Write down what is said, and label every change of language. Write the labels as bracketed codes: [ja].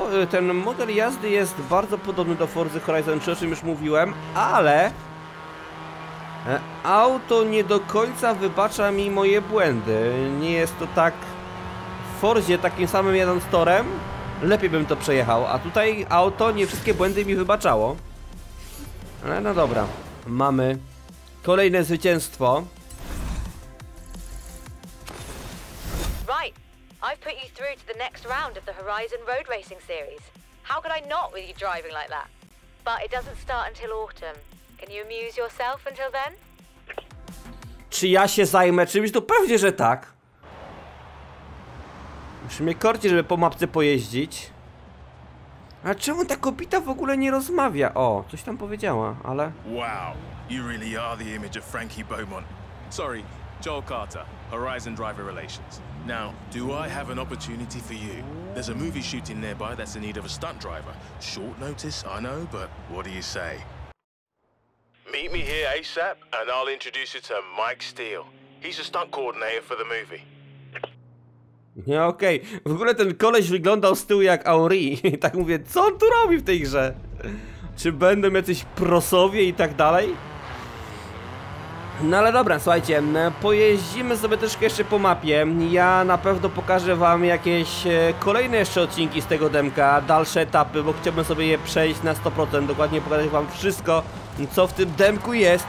[pl] Ten model jazdy jest bardzo podobny do Forzy Horizon 3, o czym już mówiłem, ale auto nie do końca wybacza mi moje błędy. Nie jest to tak w Forzie, takim samym jadąc torem, lepiej bym to przejechał, a tutaj auto nie wszystkie błędy mi wybaczało. Ale no dobra, mamy kolejne zwycięstwo. [en] I've put you through to the next round of the Horizon Road Racing Series. How could I not with you driving like that? But it doesn't start until autumn. Can you amuse yourself until then? [pl] Czy ja się zajmę czymś? To pewnie, że tak. Muszę mnie korci, żeby po mapce pojeździć. A czemu ta kobieta w ogóle nie rozmawia? O, coś tam powiedziała, ale... [en] Wow, you really are the image of Frankie Beaumont. Sorry, Joel Carter, Horizon Driver Relations. Now, do I have an opportunity for you? There's a movie shooting nearby that's in need of a stunt driver. Short notice, I know, but what do you say? Meet me here ASAP, and I'll introduce you to Mike Steele. He's a stunt coordinator for the movie. [pl] Nie, okej. W ogóle ten koleś wyglądał z tyłu jak Auri. Tak mówię, co on tu robi w tej grze? Czy będą jacyś prosowie i tak dalej? No ale dobra, słuchajcie, pojeździmy sobie troszkę jeszcze po mapie. Ja na pewno pokażę wam jakieś kolejne jeszcze odcinki z tego demka, dalsze etapy, bo chciałbym sobie je przejść na 100%, dokładnie pokazać wam wszystko, co w tym demku jest.